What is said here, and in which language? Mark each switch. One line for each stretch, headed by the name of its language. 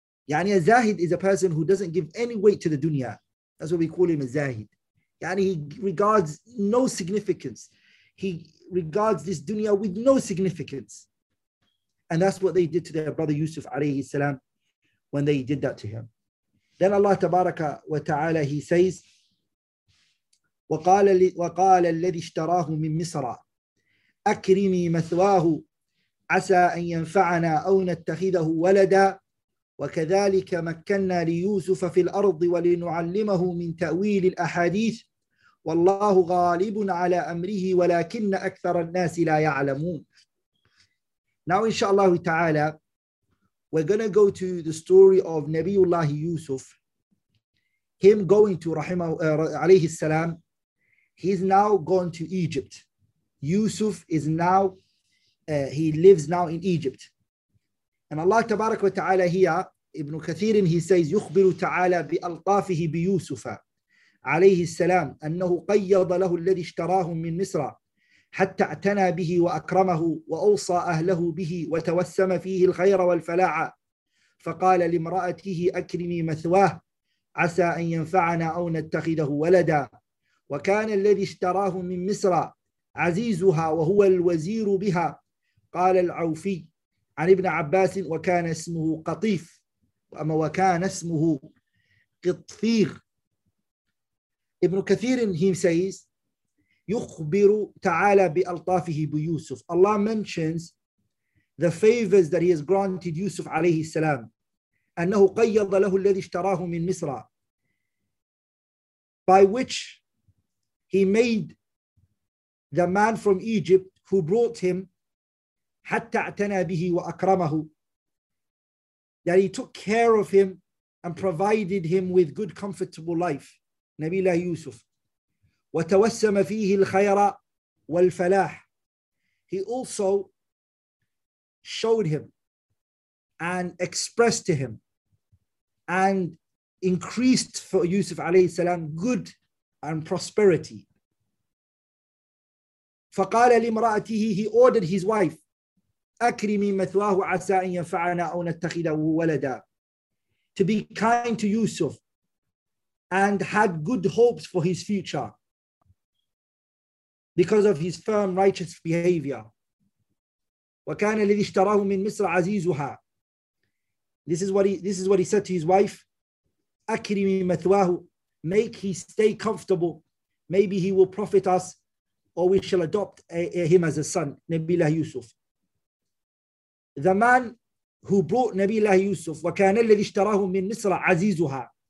English: Yani a Zahid is a person who doesn't give any weight to the dunya. That's what we call him a Zahid. Yani he regards no significance. He regards this dunya with no significance. And that's what they did to their brother Yusuf alayhi salam when they did that to him. Then Allah tabaraka wa ta'ala, he says,
Arabic: وقال الذي اشتراه من مصر أكرمي مثواه عسى أن ينفعنا أو نتخذه ولدا وكذلك مكنا ليوسف في الأرض ولنعلمه من تأويل الأحاديث والله غالب على أمره ولكن أكثر الناس لا يعلمون.
English: Now inshallah ta'ala, we're gonna go to the story of Nabiullah Yusuf, him going to alayhi salam. He's now gone to Egypt. Yusuf is now, he lives now in Egypt. And Allah tabarak wa ta'ala here, Ibn Kathir, he says,
Arabic: يُخْبِرُ تَعَالَى بِأَلْطَافِهِ بِيُوسُفَ عَلَيْهِ السَّلَامِ أَنَّهُ قَيَّضَ لَهُ الَّذِي اشْتَرَاهُ مِنْ مِصْرَ حَتَّى اعْتَنَى بِهِ وَأَكْرَمَهُ وَأَوْصَى أَهْلَهُ بِهِ وَتَوَسَّمَ فِيهِ الْخَيْرَ وَالْفَلَاعَ فَقَالَ لِمْرَأَتِهِ أَكْرِمِي مَثْوَاهُ عَسَى أَنْ يَنْفَعَنَا أَوْ نَتَّخِذَهُ وَلَدًا وكان الذي اشتراه من مصر عزيزها وهو الوزير بها قال العوفي عن ابن عباس وكان اسمه قطيف أما وكان اسمه قطفير. ابن كثير
English: he says
Arabic: يخبر تعالى بألطافه بيوسف.
English: Allah mentions the favors that he has granted Yusuf عليه السلام.
Arabic: أنه قيض له الذي اشتراه من مصر
English: by which he made the man from Egypt who brought him
Arabic: حَتَّى اعْتَنَى بِهِ وَأَكْرَمَهُ,
English: that he took care of him and provided him with good, comfortable life,
Arabic: نبي الله يوسف. وَتَوَسَّمَ فِيهِ الْخَيْرَ وَالْفَلَاحِ,
English: he also showed him and expressed to him and increased for Yusuf عليه السلام good and prosperity.
Arabic: فقال لمرأته,
English: he ordered his wife,
Arabic: أكرمي مثواه عسى أن ينفعنا أو نتخذه ولدا.
English: To be kind to Yusuf and had good hopes for his future because of his firm righteous behavior.
Arabic: وكان الذي اشتراه من مصر عزيزها.
English: This is what he said to his wife.
Arabic: أكرمي مثواه.
English: Make he stay comfortable. Maybe he will profit us, or we shall adopt him as a son, Nabilah Yusuf. The man who brought Nabilah Yusuf,
Arabic: وَكَانَ الَّذِي اشْتَرَاهُ مِنْ مِصْرَ عَزِيزُهَا.